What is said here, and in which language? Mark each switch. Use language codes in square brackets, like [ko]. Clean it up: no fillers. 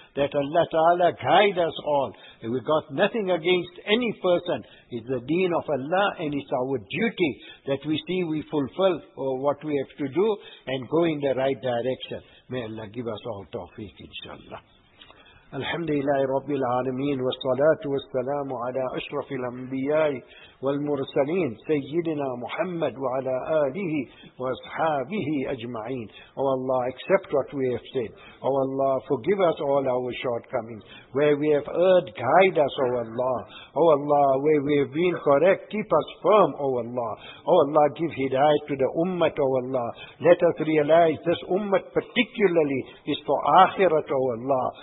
[en] That Allah Ta'ala guide us all. We got nothing against any person. It's the deen of Allah and it's our duty that we see we fulfill what we have to do and go in the right direction. May Allah give us all tawfiq, inshallah. [ar] الحمد لله رب العالمين والصلاة والسلام على أشرف الأنبياء والمرسلين سيدنا محمد وعلى آله وأصحابه أجمعين. [en] Oh Allah, accept what we have said. Oh Allah, forgive us all our shortcomings. Where we have erred, guide us, oh Allah. Oh Allah, where we have been correct, keep us firm, oh Allah. Oh Allah, give hidayah to the ummah, oh Allah. Let us realize this ummah particularly is for akhirat, oh Allah.